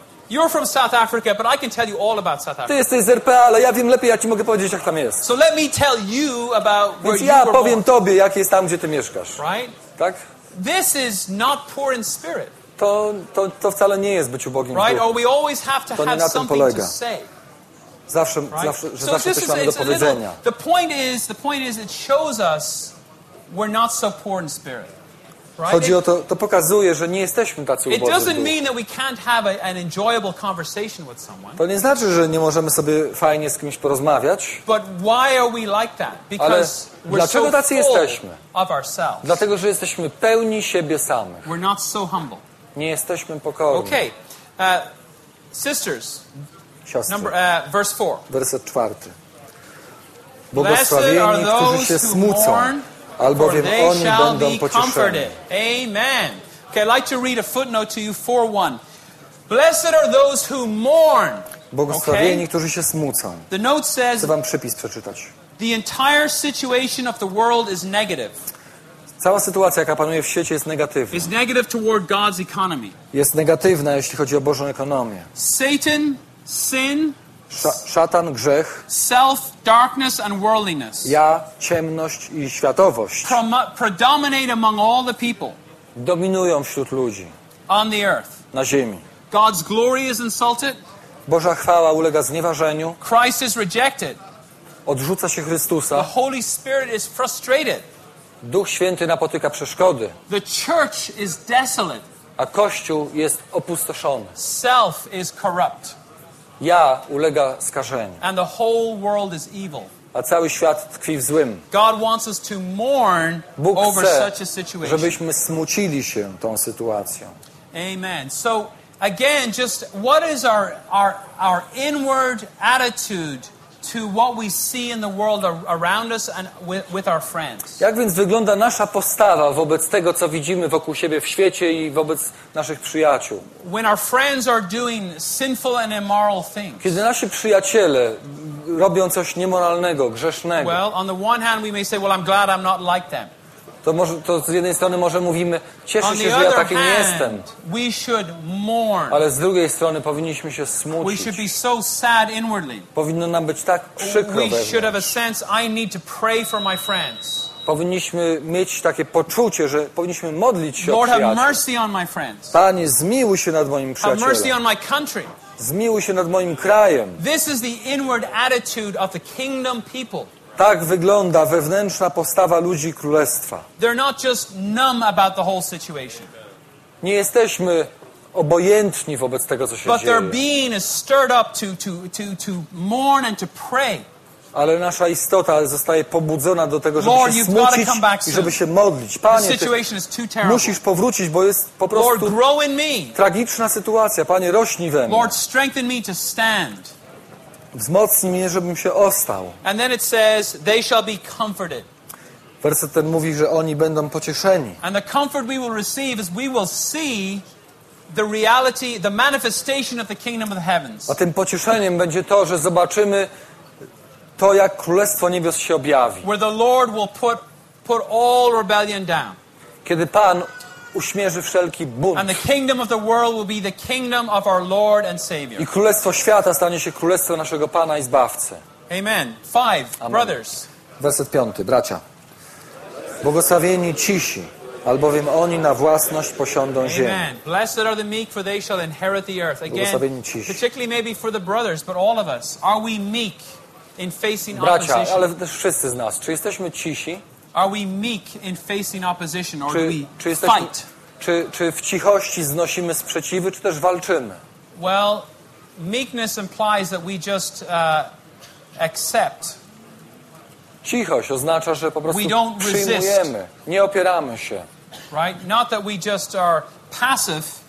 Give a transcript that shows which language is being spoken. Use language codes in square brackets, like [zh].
[en] You're from South Africa, but I can tell you all about South Africa. [pl] Ty jesteś z RPA, ale ja wiem lepiej, ja ci mogę powiedzieć, jak tam jest. [en] So let me tell you about where you were born. [pl] Więc ja powiem tobie, jak jest tam, gdzie ty mieszkasz. [en] Right? [pl] Tak? [en] This is not poor in spirit. [pl] To wcale nie jest być ubogim w duchu. [en] Right? Or we always have to have something to say. [pl] Zawsze, right? zawsze coś mamy do powiedzenia. [en] The point is, it shows us we're not so poor in spirit. Right? [pl] Chodzi o to, to pokazuje, że nie jesteśmy tacy ubodzy. [en] It doesn't mean that we can't have an enjoyable conversation with someone. [pl] To nie znaczy, że nie możemy sobie fajnie z kimś porozmawiać. [en] But why are we like that? [pl] Because dlaczego tacy jesteśmy? Dlatego, że jesteśmy pełni siebie samych. [en] We're not so humble. [pl] Nie jesteśmy pokorni. [en] Okay. Sisters. [pl] Siostry. Werset 4. Błogosławieni, którzy się smucą. Albowiem oni będą pocieszeni. Amen. [en] Okay, I'd like to read a footnote to you, 4:1. Blessed are those who mourn. [pl] Błogosławieni, którzy się smucą. [en] The note says, [pl] chcę wam przypis przeczytać. [en] The entire situation of the world is negative. [pl] Cała sytuacja, jaka panuje w świecie, jest negatywna. [en] Is negative toward God's economy. [pl] Jest negatywna, jeśli chodzi o Bożą ekonomię. [en] Satan, sin, [pl] szatan, grzech, [en] self, darkness and worldliness. [pl] Ja, ciemność i światowość [en] predominate among all the people. [pl] Dominują wśród ludzi. [en] On the earth. [pl] Na ziemi. [en] God's glory is insulted. [pl] Boża chwała ulega znieważeniu. [en] Christ is rejected. [pl] Odrzuca się Chrystusa. [en] The Holy Spirit is frustrated. [pl] Duch Święty napotyka przeszkody. [en] The church is desolate. [pl] A Kościół jest opustoszony. [en] Self is corrupt. [pl] Ja ulega skażeniu. [en] And the whole world is evil. [pl] A cały świat tkwi w złym. [en] God wants us to mourn [pl] Bóg [en] over [pl] chce, [en] such a situation. [pl] Żebyśmy smucili się tą sytuacją. Amen. [en] So again, just what is our inward attitude to what we see in the world around us and with our friends? [pl] Jak więc wygląda nasza postawa wobec tego, co widzimy wokół siebie w świecie i wobec naszych przyjaciół? [en] When our friends are doing sinful and immoral things. [pl] Kiedy nasi przyjaciele robią coś niemoralnego, grzesznego. [en] Well, on the one hand we may say, well, I'm glad I'm not like them. [pl] To z jednej strony może mówimy, cieszę się, że ja taki nie jestem. [en] We should mourn. [pl] Ale z drugiej strony powinniśmy się smucić. [en] We should be so sad inwardly. [pl] Powinno nam być tak przykro wewnątrz. [en] We should have a sense, I need to pray for my friends. [pl] Powinniśmy mieć takie poczucie, że powinniśmy modlić się [en] Lord, [pl] o przyjaciół. [en] Have mercy on my friends. [pl] Panie, zmiłuj się nad moim przyjacielem. [en] Have mercy on my country. [pl] Zmiłuj się nad moim krajem. [en] This is the inward attitude of the kingdom people. [pl] Tak wygląda wewnętrzna postawa ludzi Królestwa. [en] They're not just numb about the whole situation. [pl] Nie jesteśmy obojętni wobec tego, co się [en] but [pl] dzieje. [en] But their being is stirred up to mourn and to pray. [pl] Ale nasza istota zostaje pobudzona do tego, żeby [en] Lord, [pl] się smucić i żeby się modlić. Panie, musisz powrócić, bo jest po prostu [en] Lord, [pl] tragiczna sytuacja. Panie, rośnij we mnie. [en] Lord, strengthen me to stand. [pl] Wzmocnij mnie, żebym się ostał. [en] And then it says, they shall be comforted. [pl] Werset ten mówi, że oni będą pocieszeni. [en] And the comfort we will receive is we will see the reality, the manifestation of the kingdom of the heavens. [pl] A tym pocieszeniem będzie to, że zobaczymy to, jak Królestwo Niebios się objawi. [en] Where the Lord will put all rebellion down. [pl] Kiedy Pan uśmierzy wszelki bunt. [en] And the kingdom of the world will be the kingdom of our Lord and Savior. [pl] I królestwo świata stanie się królestwem naszego Pana i Zbawcy. [en] Amen. 5. Brothers. [pl] Werset 5. Bracia. Błogosławieni cisi, albowiem oni na własność posiądą ziemię. Amen. [en] Blessed are the meek, for they shall inherit the earth. Again, cisi. Particularly maybe for the brothers, but all of us. Are we meek in facing [pl] bracia, [en] opposition? [pl] Ale też wszyscy z nas. Czy jesteśmy cisi? [en] Are we meek in facing opposition, or [pl] czy [en] do we fight? [pl] Czy w cichości znosimy sprzeciwy, czy też walczymy? [en] Well, meekness implies that we just accept. [pl] Cichość oznacza, że po prostu przyjmujemy, nie opieramy się. [en] Right? Not that we just are passive.